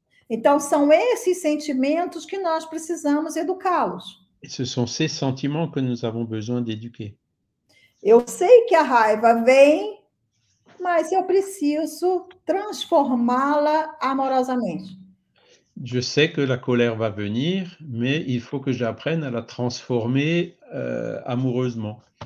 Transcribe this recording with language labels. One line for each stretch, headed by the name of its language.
Portuguese: Então, são esses sentimentos que nós precisamos educá-los.
French: Et ce sont ces sentiments que nous avons besoin d'éduquer.
Portuguese: Eu sei que a raiva vem, mas eu preciso transformá-la amorosamente.
French: Je sais que la colère va venir, mais il faut que j'apprenne à la transformer amoureusement.